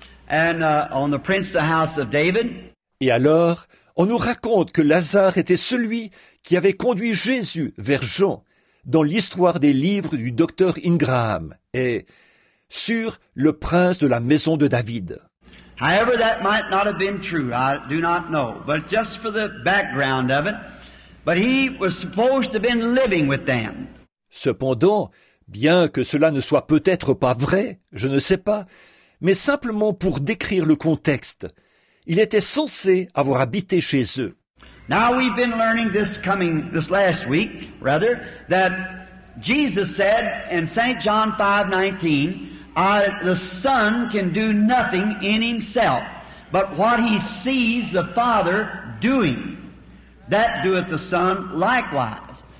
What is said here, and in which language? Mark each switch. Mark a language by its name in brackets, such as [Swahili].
[English] And on the prince of the house of David. [French] Et alors, on nous raconte que Lazare était celui qui avait conduit Jésus vers Jean dans l'histoire des livres du docteur Ingraham et sur le prince de la maison de David. [English] However, that might not have been true. I do not know. But just for the background of it, but he was supposed to have been living with them. [French] Cependant, bien que cela ne soit peut-être pas vrai, je ne sais pas, mais simplement pour décrire le contexte, il était censé avoir habité chez eux. [English] Now we've been learning this last week, rather, that Jesus said in St. John 5:19, the Son can do nothing in himself, but what he sees the Father doing, that doeth the Son likewise.